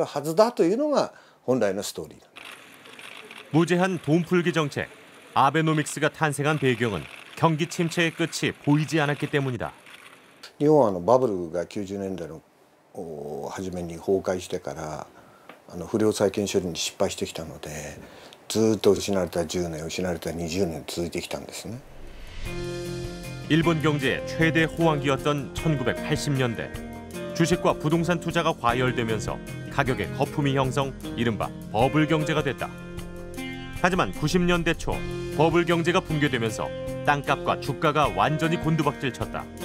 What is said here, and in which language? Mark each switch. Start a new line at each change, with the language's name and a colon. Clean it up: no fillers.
Japanese: 金融緩和でお金を流すので、さらにそれが潤沢に市中に出回って経済を活性化させるはずだというのが本来のストーリーだ.
Korean: 무제한 돈 풀기 정책, 아베노믹스가 탄생한 배경은 경기 침체의 끝이 보이지 않았기 때문이다. 일본은 버블이 90년대
Japanese: の初めに 崩壊してから 不良債権処理に 失敗してきたので, ずっと失われた 10年, 失われた 20年 続いてきたんですね.
Korean: 일본 경제의 최대 호황기였던 1980년대. 주식과 부동산 투자가 과열되면서 가격의 거품이 형성, 이른바 버블 경제가 됐다. 하지만 90년대 초 버블 경제가 붕괴되면서 땅값과 주가가 완전히 곤두박질 쳤다.